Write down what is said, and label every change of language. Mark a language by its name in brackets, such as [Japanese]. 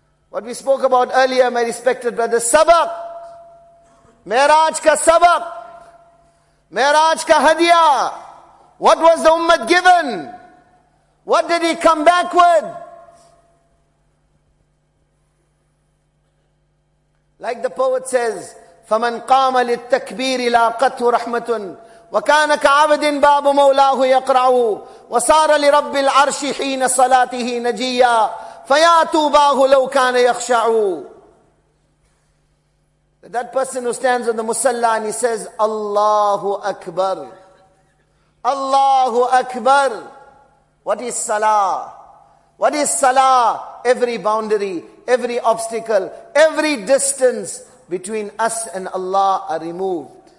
[English] What we spoke about earlier, my respected brother, sabak. [Urdu] Mi'raj ka sabak, Mi'raj ka hadiya. [English] What was the ummah given? What did he come back with? Like the poet says, [Arabic] فَمَنْ قَامَ لِلْتَكْبِيرِ لَا قَتْهُ رَحْمَةٌ وَكَانَ كَعَبْدٍ بَابُ مَوْلَاهُ يَقْرَعُهُ وَصَارَ لِرَبِّ الْعَرْشِ حِينَ صَلَاتِهِ نَجِيَّا فَيَا تُوبَاهُ لَوْ كَانَ يَخْشَعُهُ. [English] That person who stands on the musalla and he says, Allahu Akbar. Allahu Akbar. What is salah? What is salah? Every boundary, every obstacle, every distance between us and Allah are removed.